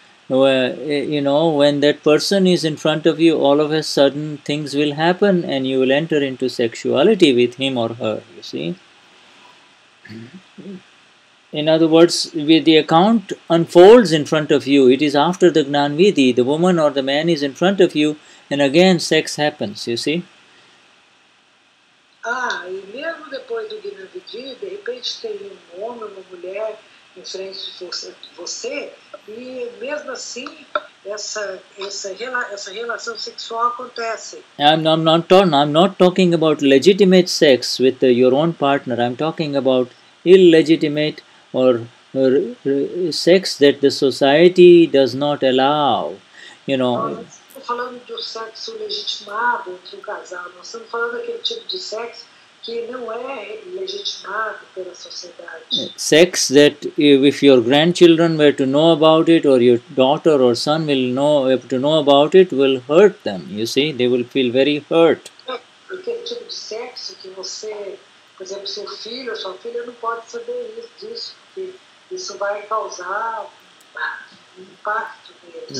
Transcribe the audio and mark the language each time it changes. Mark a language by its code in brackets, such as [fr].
[en] Well, you know, when that person is in front of you, all of a sudden things will happen and you will enter into sexuality with him or her, you see. In other words, the account unfolds in front of you. It is after the Gnanvidhi, the woman or the man is in front of you and again sex happens, you see. [pt] Ah, e mesmo depois do Gnanvidhi, de repente tem um homem, uma mulher... em frente de você, e mesmo assim, essa relação sexual acontece. [en] I'm not talking about legitimate sex with your own partner. I'm talking about illegitimate or sex that the society does not allow. You know. [pt] Nós estamos falando de sexo legitimado entre um casal. Nós estamos falando daquele tipo de sexo que não é legitimado pela sociedade. [en] Sex that if your grandchildren were to know about it, or your daughter or son will know to know about it, will hurt them. You see, they will feel very hurt. [pt] Aquele tipo de sexo que você, por exemplo, seu filho ou sua filha não pode saber isso, porque isso vai causar um impacto neles.